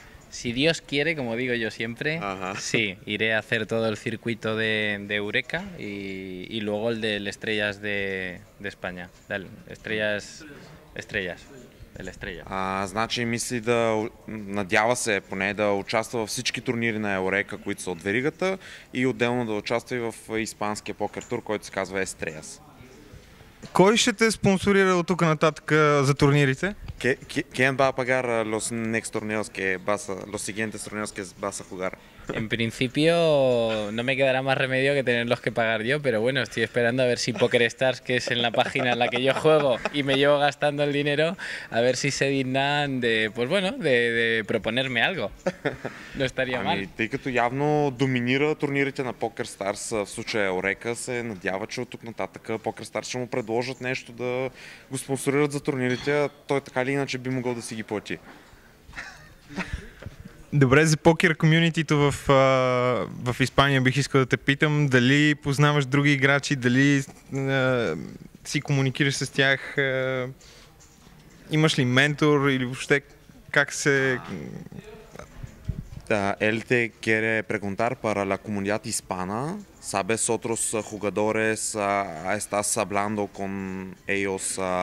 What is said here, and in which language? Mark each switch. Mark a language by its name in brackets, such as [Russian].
[Spanish] Si Dios quiere, como digo yo siempre, sí, iré a hacer todo el circuito de Eureka y luego el del Estrellas de España. Dale, Estrellas. El Estrella. [Bulgarian] Значи мисли да, надява се поне да участва във всички турнири на Eureka, които са от веригата и отделно да участва и в испанския покер тур, който се казва Estrellas. Кой ще те спонсорира от тук нататък за турнирите? [Spanish] ¿Quién va a pagar los next torneos que vas a, los siguientes torneos que vas a jugar? En principio no me quedará más remedio que tenerlos que pagar yo, pero bueno, estoy esperando a ver si PokerStars, que es en la página en la que yo juego y me llevo gastando el dinero, a ver si se dignan de, pues bueno, de proponerme algo. No estaría mal. [Bulgarian] Тъй като явно доминира турнирите на PokerStars, в случая Eureka, се надява, че от тук нататък PokerStars ще му предложат нещо да го спонсорират за турнирите, той така или иначе би могъл да си ги плати. Добре, за покер комюнитито в Испания бих искал да те питам, дали познаваш други играчи, дали си комуникираш с тях? Имаш ли ментор или въобще как се... [Spanish] Él te quiere preguntar para la comunidad hispana. ¿Sabes otros jugadores? ¿Estás hablando con ellos?